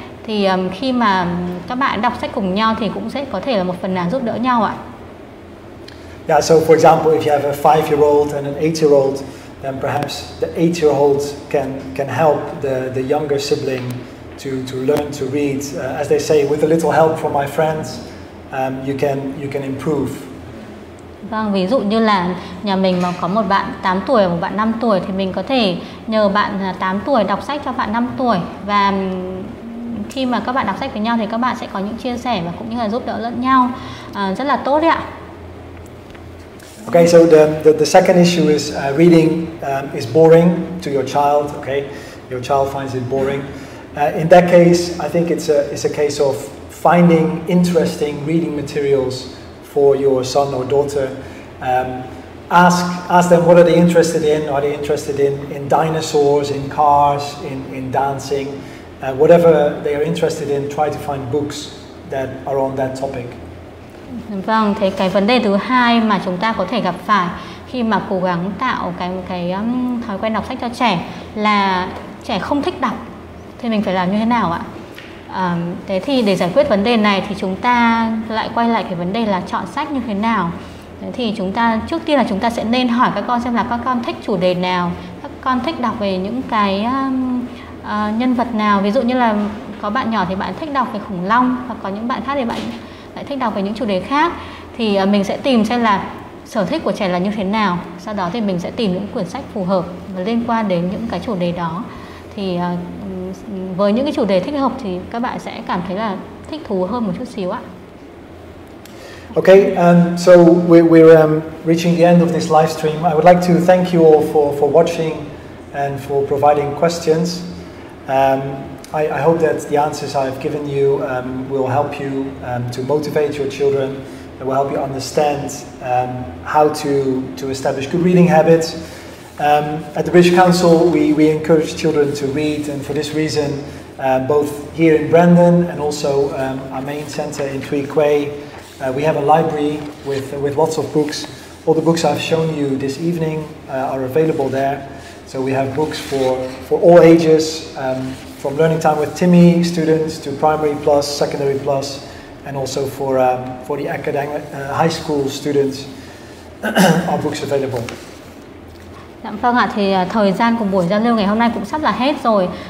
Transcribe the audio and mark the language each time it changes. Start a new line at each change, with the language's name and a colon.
Vietnamese: Thì khi mà các bạn đọc sách cùng nhau thì cũng sẽ có thể là một phần nào giúp đỡ nhau ạ.
English: Yeah, so for example, if you have a 5-year-old and an 8-year-old, then perhaps the 8-year-old can help the younger sibling to learn to read. As they say, with a little help from my friends, you can improve.
Vietnamese: Vâng, ví dụ như là nhà mình mà có một bạn 8 tuổi và một bạn 5 tuổi thì mình có thể nhờ bạn 8 tuổi đọc sách cho bạn 5 tuổi và khi mà các bạn đọc sách với nhau thì các bạn sẽ có những chia sẻ và cũng như là giúp đỡ lẫn nhau rất là tốt đấy ạ.
English: Okay, so the second issue is reading is boring to your child. Okay, your child finds it boring. In that case, I think it's a case of finding interesting reading materials for your son or daughter. Ask them what are they interested in. Are they interested in dinosaurs, in cars, in dancing? Whatever they are interested in, try to find books that are on that topic.
Vietnamese: Vâng, thế cái vấn đề thứ hai mà chúng ta có thể gặp phải khi mà cố gắng tạo cái thói quen đọc sách cho trẻ là trẻ không thích đọc. Thì mình phải làm như thế nào ạ? Thế thì để giải quyết vấn đề này thì chúng ta lại quay lại cái vấn đề là chọn sách như thế nào. Thế thì chúng ta trước tiên là chúng ta sẽ nên hỏi các con xem là các con thích chủ đề nào, các con thích đọc về những cái nhân vật nào. Ví dụ như là có bạn nhỏ thì bạn thích đọc về khủng long, hoặc có những bạn khác thì bạn lại thích đọc về những chủ đề khác. Thì mình sẽ tìm xem là sở thích của trẻ là như thế nào, sau đó thì mình sẽ tìm những quyển sách phù hợp và liên quan đến những cái chủ đề đó. Thì với những cái chủ đề thích hợp thì các bạn sẽ cảm thấy là thích thú hơn một chút xíu ạ.
English: Okay, so we're reaching the end of this live stream. I would like to thank you all for watching and for providing questions. I hope that the answers I've given you will help you to motivate your children. It will help you understand how to establish good reading habits. At the British Council, we encourage children to read, and for this reason, both here in Brandon and also our main centre in Thuy Quay, we have a library with lots of books. All the books I've shown you this evening are available there. So we have books for all ages, from Learning Time with Timmy students to Primary Plus, Secondary Plus, and also for the academic high school students, our books available.
Vietnamese: Dạ vâng ạ, thì thời gian của buổi giao lưu ngày hôm nay cũng sắp là hết rồi.